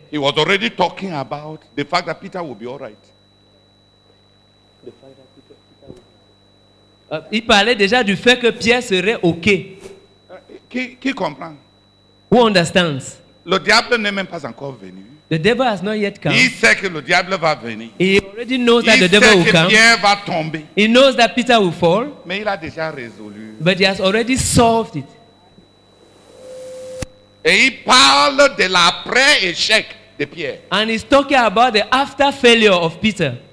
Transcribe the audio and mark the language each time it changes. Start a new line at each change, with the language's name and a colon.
English: He was already talking about the fact that Peter will be all right.
French: Il parlait déjà du fait que Pierre serait OK. Qui comprend?
English: Who understands?
French: Le diable n'est même pas encore venu.
English: The devil has not yet come.
French: Il sait que le diable va venir.
English: He already knows that the devil will come.
French: Il sait que Pierre va tomber.
English: He knows that Peter will fall.
French: Mais il a déjà résolu.
English: But he has already solved it.
French: Et il parle de l'après-échec de Pierre.
English: And he's talking about the after failure of Peter.